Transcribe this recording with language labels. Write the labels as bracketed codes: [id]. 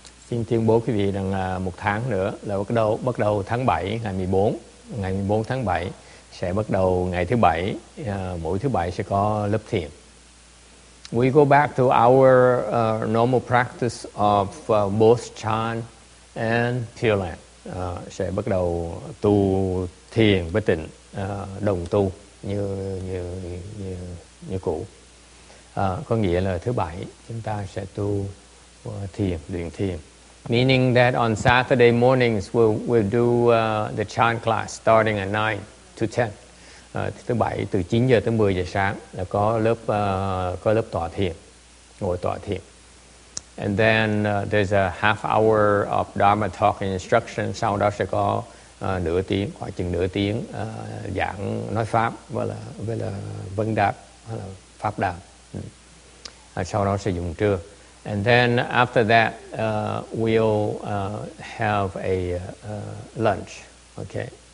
[vi] Xin tuyên bố quý vị rằng một tháng nữa là bắt đầu tháng 7, ngày 14 tháng 7 sẽ bắt đầu ngày thứ bảy, mỗi thứ bảy sẽ có lớp thiền. [en] We go back to our normal practice of both Chan and Pure Land. [vi] Sẽ bắt đầu tu thiền với tịnh. Đồng tu như cũ, có nghĩa là thứ bảy chúng ta sẽ tu thiền, luyện thiền. [en] Meaning that on Saturday mornings we'll do the Chan class starting at 9 to 10. [vi] Thứ bảy từ 9 giờ tới 10 giờ sáng là có lớp tọa thiền, ngồi tọa thiền. [en] And then there's a half hour of Dharma talk and instruction. [vi] Sau đó sẽ có nửa tiếng, khoảng chừng nửa tiếng giảng nói pháp với là vấn đáp hay là pháp đàm. Sau đó sẽ dùng trưa. [en] And then after that we'll have a lunch. Okay.